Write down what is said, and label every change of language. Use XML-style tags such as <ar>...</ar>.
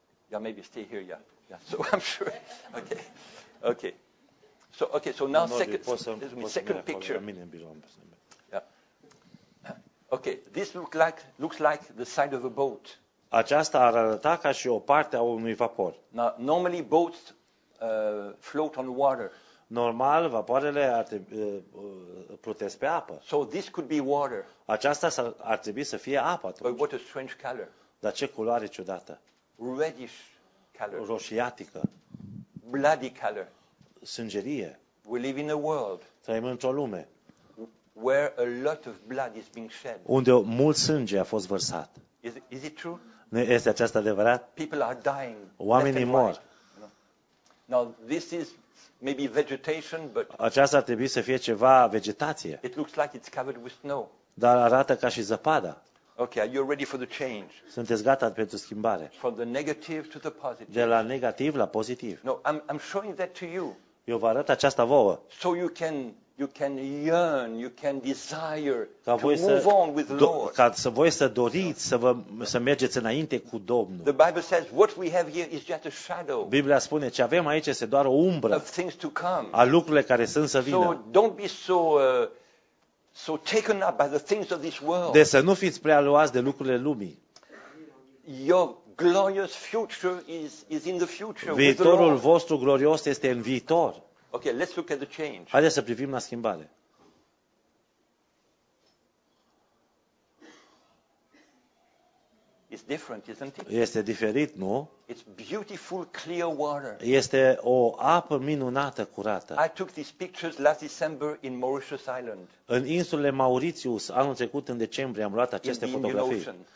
<en>Yeah, maybe stay here. Yeah. So I'm sure. Okay. So now second picture. Yeah. Okay. This looks like the side of a boat.</en> <ro>Aceasta ar arăta ca și o parte a unui vapor.</ro> <en>Now, normally boats float on water.</en> <ro>Normal, vapoarele plutesc pe apă.</ro> <en>So this could be water.</en> <ro>Aceasta ar trebui să fie apă atunci.</ro> <en>But what a strange color.</en> <ro>Dar ce culoare ciudată.</ro> <en>Reddish color.</en> <ro>Roșiatică.</ro> <en>Bloody color.</en> <ro>Sângerie.</ro> <en>We live in a world.</en> <ro>Trăim într-o lume.</ro> <en>Where a lot of blood is being shed.</en> <ro>Unde mult sânge a fost vărsat.</ro> <en>Is it true?</en> <ro>Nu este aceasta adevărat?</ro> <en>People are dying.</en> <ro>Oamenii mor.</ro> <en>Now this is maybe vegetation, but</en> <ro>aceasta ar trebui să fie ceva vegetație.</ro> <en>It looks like it's covered with snow.</en> <ro>dar arată ca și zăpada.</ro> <en>Okay, are you ready for the change?</en> <ro>Sunteți gata pentru schimbare?</ro> <en>From the negative to the positive.</en> <ro>De la negativ la pozitiv.</ro> <en>No, I'm showing that to you.</en> <ro>Eu vă arăt aceasta vouă.</ro> <en>So you can yearn, you can desire to move on with the Lord.</en> <ro>Ca să voi să doriți să mergeți înainte cu Domnul.</ro> <en>The Bible says what we have here is just a shadow.</en> <ro>Biblia spune ce avem aici este doar o umbră.</ro> <en>Of things to come.</en> <ro>A lucrurile care sunt să vină.</ro> <en>So don't be so taken up by the things of this world.</en> <ro>De să nu fiți prea luați de lucrurile lumii.</ro> <en>Your glorious future is in the future.</en> <ro>Viitorul vostru glorios este în viitor.</ro> <en>Okay, let's look at the change.</en> <ro>Haideți să privim la schimbare.</ro> <en>It's different, isn't it?</en> <ro>Este diferit, nu?</ro> <en>It's beautiful, clear water.</en> <ro>Este o apă minunată, curată.</ro> <en>I took these pictures last December in Mauritius Island.</en> <ro>În insulele Mauritius, anul trecut, în decembrie, am luat aceste fotografii.</ro>